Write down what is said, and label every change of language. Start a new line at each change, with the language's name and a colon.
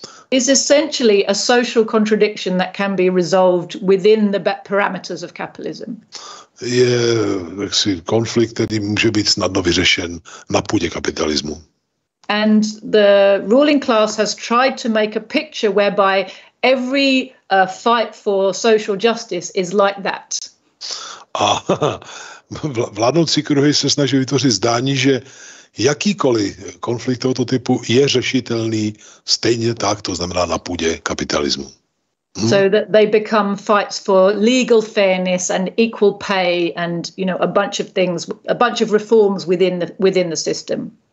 English: is essentially a social contradiction that can be resolved within the parameters of capitalism.
Czech: Je jaksi konflikt, který může být snadno vyřešen na půdě kapitalismu.
English: And the ruling class has tried to make a picture whereby every fight for social justice is like that.
Czech: A vládnoucí kruhy se snaží vytvořit zdání, že jakýkoliv konflikt tohoto typu je řešitelný stejně tak, to znamená na půdě kapitalismu. Hmm.
English: So that they become fights for legal fairness and equal pay and, you know, a bunch of things, a bunch of reforms within the system.